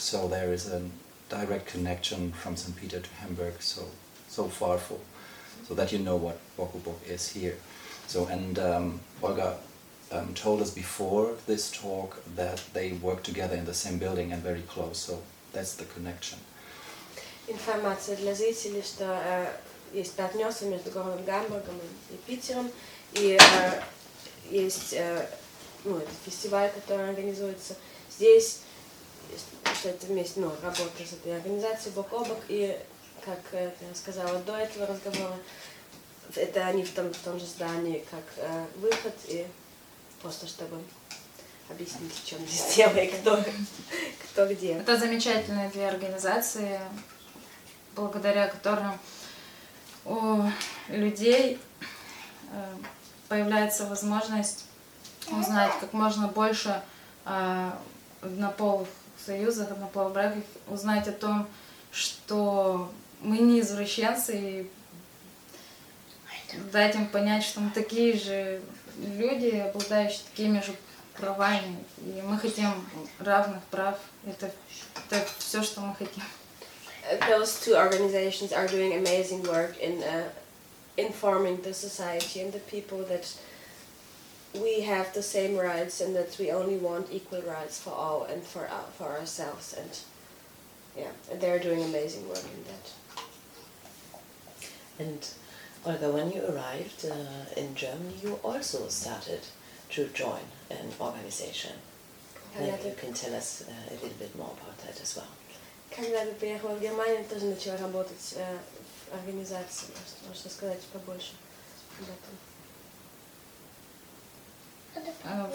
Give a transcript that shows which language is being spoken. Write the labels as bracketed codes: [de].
[en] So there is a direct connection from St. Peter to Hamburg, so far for, so that you know what Bok o Bok is here. So, and Olga told us before this talk that they work together in the same building and very close, so that's the connection. [ru] Информация для зрителей, что есть партнерство между городом Гамбургом и Питером, и есть фестиваль, который организуется здесь, это вместе, работа с этой организацией Бок о Бок, и, как я сказала до этого разговора, это они в том же здании, как Выход, и просто чтобы объяснить, в чем здесь дело и кто где. Это замечательные две организации, благодаря которым у людей появляется возможность узнать как можно больше о однополых союзах, однополых браках, узнать о том, что мы не извращенцы, и дать им понять, что мы такие же люди, обладающие такими же правами, и мы хотим равных прав. Это все, что мы хотим. [en] Those two organizations are doing amazing work in informing the society and the people that we have the same rights and that we only want equal rights for all and for ourselves. And yeah, they're doing amazing work in that. And Olga, when you arrived in Germany, you also started to join an organization. You can tell us a little bit more about that as well. [ru] Когда я приехала в Германию, тоже начала работать в организации. Можно сказать побольше об этом.